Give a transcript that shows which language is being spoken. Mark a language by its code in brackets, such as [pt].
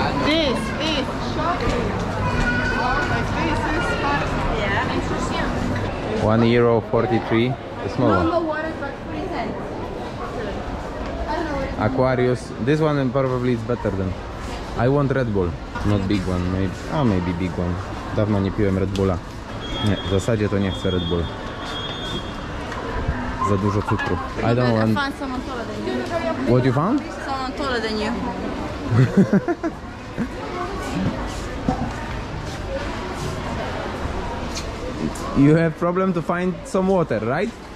[en] This is shocking. Like, this is hard. Yeah, interesting. €1.43, the small one. No, water, but 3 cents. Aquarius, this one probably is better than. I want Red Bull, not big one, maybe. Oh, maybe big one. [pl] Dawno nie piłem Red Bulla. Nie, w zasadzie to nie chcę Red Bull. Za dużo cukru. [en] I don't want. I found someone taller than you. What you found? Someone taller than you. You have problem to find some water, right?